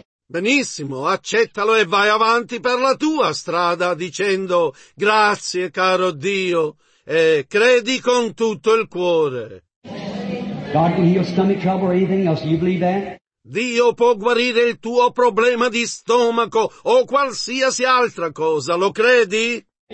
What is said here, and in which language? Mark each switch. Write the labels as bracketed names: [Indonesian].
[Italian] Benissimo, accettalo e vai avanti per la tua strada dicendo grazie caro Dio e credi con tutto il cuore. [English] God can heal stomach trouble or anything else. Do you believe that? [Italian] Dio può guarire il tuo problema di stomaco o qualsiasi altra cosa, lo credi?